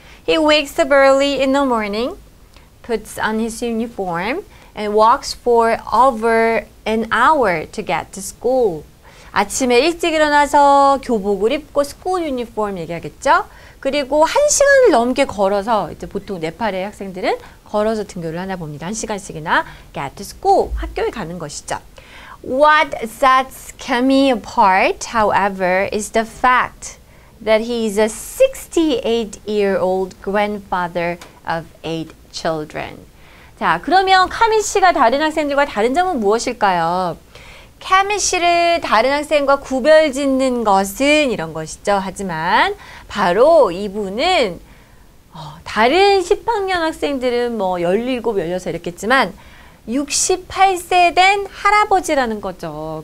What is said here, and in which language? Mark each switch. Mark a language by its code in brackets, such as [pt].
[en] He wakes up early in the morning, puts on his uniform and walks for over an hour to get to school. [ko] 아침에 일찍 일어나서 교복을 입고 스쿨 유니폼 얘기하겠죠? 그리고 한 시간을 넘게 걸어서 이제 보통 네팔의 학생들은 걸어서 등교를 하나 봅니다. 한 시간씩이나 [en] get to school, [ko] 학교에 가는 것이죠. [en] What sets Kami apart, however, is the fact that he is a 68-year-old grandfather of 8 children. [ko] 자, 그러면 카미 씨가 다른 학생들과 다른 점은 무엇일까요? 카미 씨를 다른 학생과 구별 짓는 것은 이런 것이죠. 하지만 바로 이분은 다른 10학년 학생들은 뭐 17, 16 이렇게 했지만 68세 된 할아버지라는 거죠.